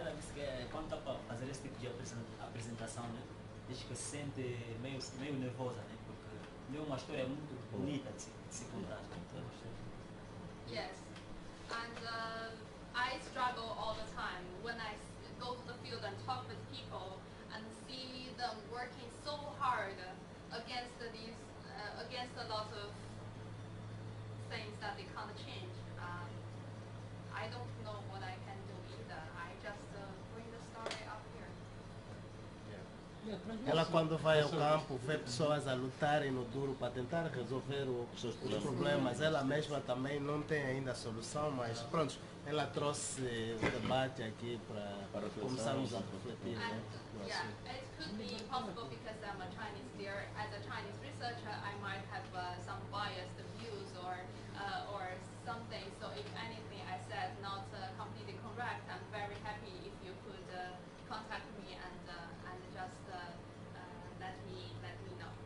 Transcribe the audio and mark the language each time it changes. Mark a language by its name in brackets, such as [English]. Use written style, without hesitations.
[Portuguese] Ela disse que quando está para fazer esse tipo de apresentação, né, diz que se sente meio nervosa, né, porque é uma história muito bonita de se contar. [English] Yes, and I struggle all the time when I go to the field and talk with people and see them working so hard against these, against a lot of things that they can't change. I don't know what I can do either. I just bring the story up here. Yeah. [Portuguese] Ela quando vai ao campo vê pessoas a lutarem no duro para tentar resolver os problemas. Ela mesma também não tem ainda a solução, mas pronto, ela trouxe o debate aqui para começarmos a refletir. [English] Yeah, it could be possible because I'm a Chinese there. As a Chinese researcher, I might have some biased views or something. So if anything I said not completely correct, I'm very happy if you could contact me and just let me know.